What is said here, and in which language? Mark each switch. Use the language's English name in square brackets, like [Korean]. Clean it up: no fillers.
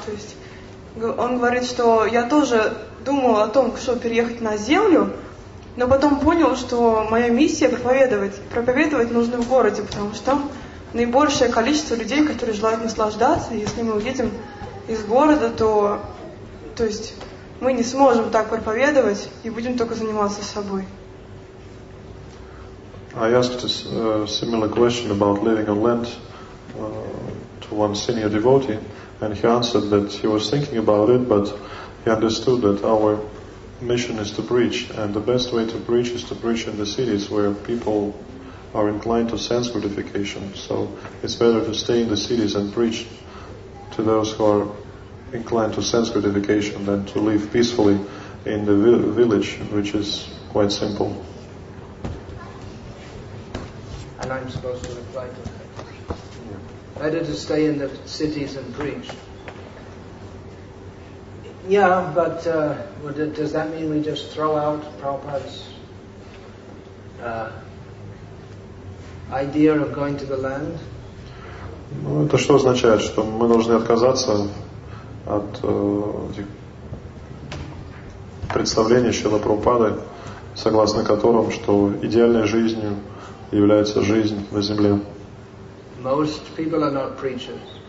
[Russian] То есть он говорит, что я тоже думал о том, что переехать на землю, но потом понял, что моя миссия — проповедовать. Проповедовать нужно в городе, потому что там наибольшее количество людей, которые желают наслаждаться. Если мы уедем из города, то есть мы не сможем так проповедовать и будем только заниматься собой. [English] I asked a similar question about living on land to one senior devotee, and he answered that he was thinking about it, but he understood that our mission is to preach, and the best way to preach is to preach in the cities where people are inclined to sense gratification. So it's better to stay in the cities and preach to those who are inclined to sense gratification than to live peacefully in the village, which is quite simple. And I'm supposed to reply to that. Better to stay in the cities and preach. Yeah, but does that mean we just throw out Prabhupada's idea of going to the land? [Russian] Ну, это что означает, что мы должны отказаться от этих представлений Шрилы Прабхупады, согласно которым, что идеальной жизнью является жизнь на земле? [English] Most people are not preachers.